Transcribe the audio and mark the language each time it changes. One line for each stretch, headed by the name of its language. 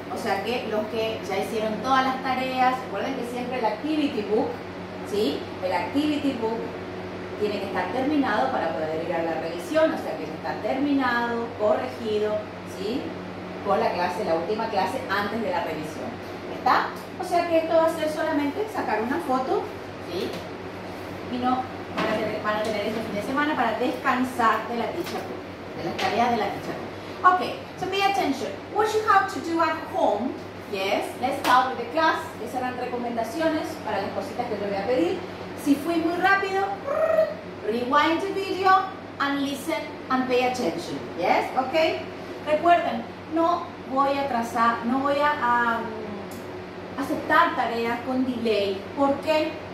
Spanish: O sea que los que ya hicieron todas las tareas, recuerden que siempre el Activity Book, ¿sí?, el Activity Book tiene que estar terminado para poder ir a la revisión, o sea que ya está terminado, corregido, ¿sí?, con la clase, la última clase antes de la revisión. ¿Está? O sea que esto va a ser solamente sacar una foto, ¿sí?, y no van a tener ese fin de semana para descansar de la teacher, de las tareas de la teacher.
English: Ok, so pay attention. What you have to do at home, yes, let's start with the class.
Spanish: Esas eran recomendaciones para las cositas que yo voy a pedir. Si fui muy rápido,
English: rewind the video and listen and pay attention, yes, ok.
Spanish: Recuerden, no voy a trazar, no voy a aceptar tareas con delay. ¿Por qué?